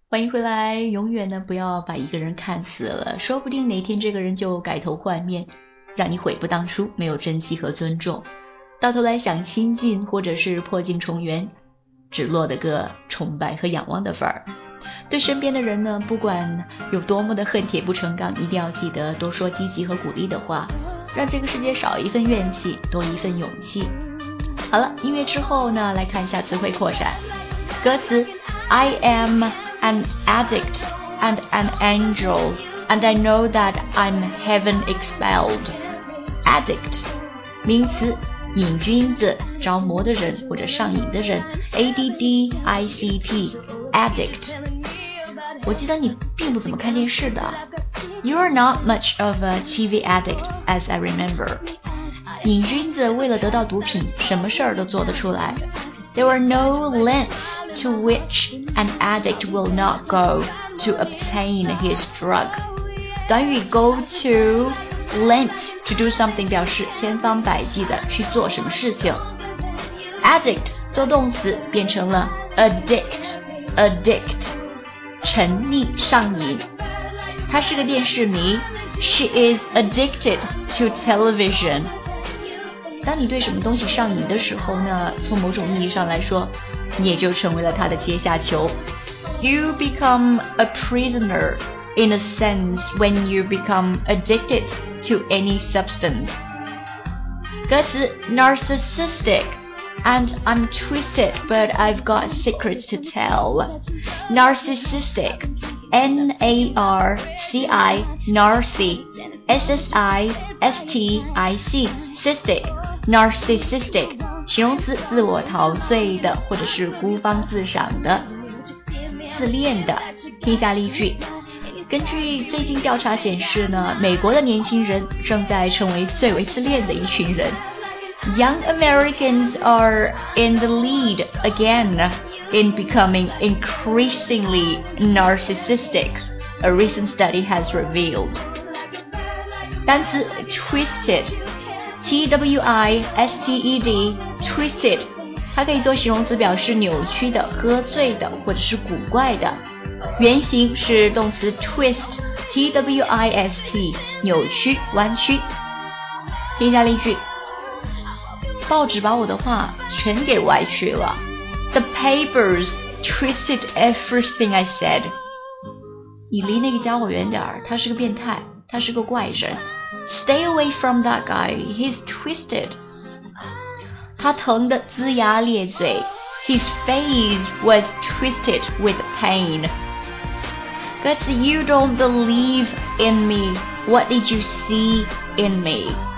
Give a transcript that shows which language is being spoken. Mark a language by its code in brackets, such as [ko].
[zh] 回来，永远呢不要把一个人看死了，说不定哪天这个人就改头换面，让你悔不当初，没有珍惜和尊重，到头来想亲近或者是破镜重圆，只落得个崇拜和仰望的份儿。对身边的人呢，不管有多么的恨铁不成钢，一定要记得多说积极和鼓励的话，让这个世界少一份怨气，多一份勇气。好了，音乐之后呢，来看一下词汇扩展。歌词 [en] I amAn addict and an angel, and I know that I'm heaven expelled. Addict, 名词， [zh] 瘾君子、着魔的人或者上瘾的人 ADDICT Addict。我记得你并不怎么看电视的。 [en] You are not much of a TV addict as I remember。 [zh] 瘾君子为了得到毒品什么事儿都做得出来。 [en] There are no lengths to which an addict will not go to obtain his drug。 [zh] 短语 [en] go toLent to do something [zh] 表示千方百计的去做什么事情。 Addict 做动词变成了 [en] Addict Addict [zh] 沉溺上瘾。她是个电视迷。 [en] She is addicted to television。 [zh] 当你对什么东西上瘾的时候呢，从某种意义上来说，你也就成为了她的阶下囚。 [en] You become a prisonerIn a sense, when you become addicted to any substance. 歌词 Narcissistic and I'm twisted but I've got secrets to tell. [zh] Narcissistic N-A-R-C-I Narcy S-S-I-S-T-I-C Cystic Narcissistic 形容词自我陶醉的或者是孤芳自赏的自恋的。听下例句。根据最近调查显示呢，美国的年轻人正在成为最为自恋的一群人。 [en] Young Americans are in the lead again in becoming increasingly narcissistic, a recent study has revealed. [zh] 单词 twisted, T-W-I-S-T-E-D, twisted, 它可以做形容词表示扭曲的、喝醉的或者是古怪的。原型是动词 twist, T-W-I-S-T, 扭曲、弯曲。听下例句。报纸把我的话全给歪曲了。 [en] The papers twisted everything I said. [zh] 你离那个家伙远点儿，他是个变态，他是个怪人。 [en] Stay away from that guy, he's twisted. [zh] 他疼得龇牙咧嘴。 [en] His face was twisted with pain. Because you don't believe in me, what did you see in me?